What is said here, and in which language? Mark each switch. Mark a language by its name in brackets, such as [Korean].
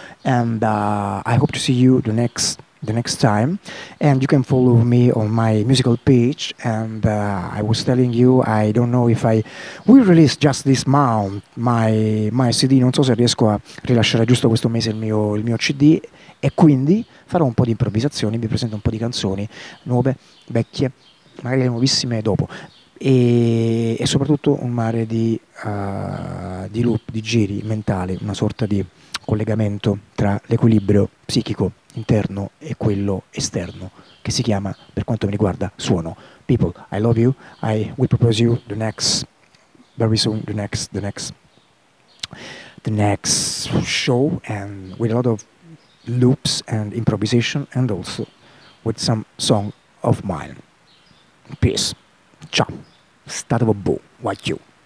[English] And I hope to see you the next time. And you can follow me on my musical page. And I was telling you, I don't know if I will release just this month my CD. [Italian] Non so se riesco a rilasciare giusto questo mese il mio CD. E quindi farò un po' di improvvisazioni, vi presento un po' di canzoni nuove, vecchie, magari le nuovissime dopo. E soprattutto un mare di loop, di giri mentali, una sorta di collegamento tra l'equilibrio psichico interno e quello esterno, che si chiama, per quanto mi riguarda, suono. [English] People, I love you, I will propose you the next, very soon, the next show, and with a lot of loops and improvisation, and also with some song of mine. Peace. Ciao. Stato bo, what you?